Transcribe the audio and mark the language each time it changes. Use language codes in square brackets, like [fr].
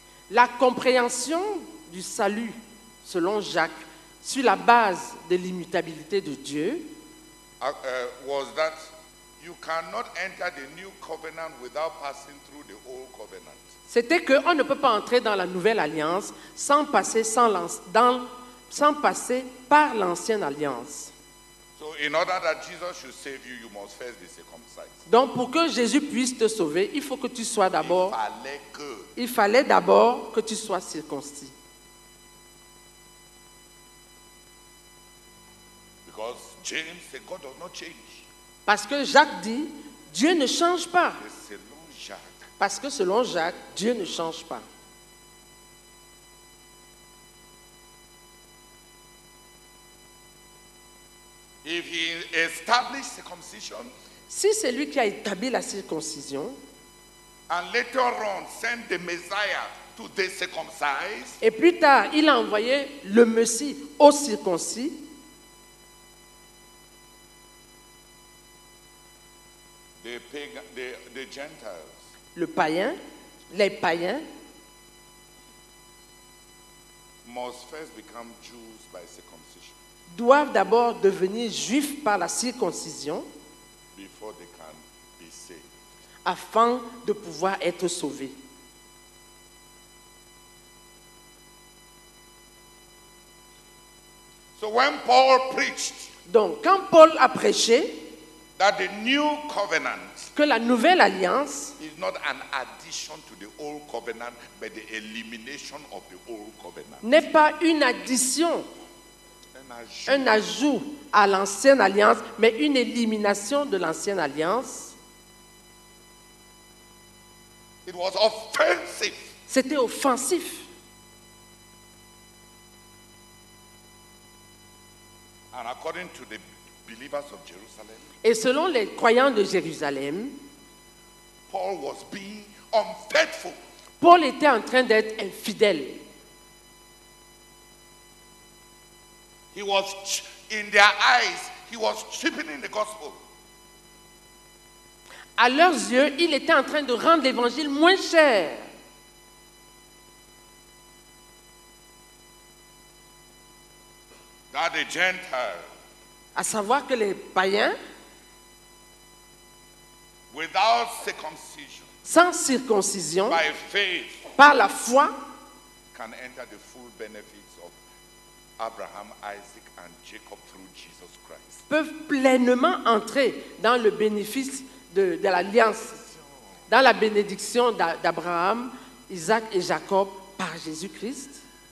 [fr] La compréhension du salut, selon Jacques, sur la base de l'immutabilité de Dieu, [en] Was that you cannot enter the new covenant without passing through the old covenant. [fr] C'était que on ne peut pas entrer dans la nouvelle alliance sans passer par l'ancienne alliance. [en] So in order that Jesus should save you, you must first be circumcised. [fr] Donc pour que Jésus puisse te sauver, il faut que tu sois d'abord. Il fallait d'abord que tu sois circoncis. [en] Because James said, God does not change. [fr] Parce que Jacques dit, Dieu ne change pas. Selon Jacques. Parce que selon Jacques, Dieu ne change pas. [en] If he established circumcision, [fr] si c'est lui qui a établi la circoncision, [en] and later on sent the Messiah to the circumcised, [fr] et plus tard, il a envoyé le Messie au circoncis, [en] the Gentiles. [fr] Le païen, les païens, [en] must first become Jews by circumcision. [fr] Doivent d'abord devenir juifs par la circoncision [en] before they can be saved. [fr] Afin de pouvoir être sauvés. [en] So when Paul preached, [fr] donc quand Paul a prêché, [en] that the new covenant, [fr] que la nouvelle alliance, [en] is not an addition to the old covenant, but the elimination of the old covenant, [fr] n'est pas une addition, un ajout à l'ancienne alliance, mais une élimination de l'ancienne alliance. [en] It was offensive. [fr] C'était offensif. [en] And according to the believers of Jerusalem, [fr] et selon les croyants de Jérusalem, [en] Paul was being unfaithful. [fr] Paul était en train d'être infidèle. [en] He was in their eyes, he was cheapening the gospel. [fr] À leurs yeux, il était en train de rendre l'évangile moins cher. [en] That the Gentiles, [fr] à savoir que les païens, [en] without circumcision, [fr] sans circoncision, [en] by faith, [fr] par la foi, [en] can enter the full benefits of Abraham, Isaac, and Jacob through Jesus Christ. [fr] Peuvent pleinement entrer dans le bénéfice de l'alliance, dans la bénédiction d'Abraham, Isaac et Jacob par Jésus-Christ.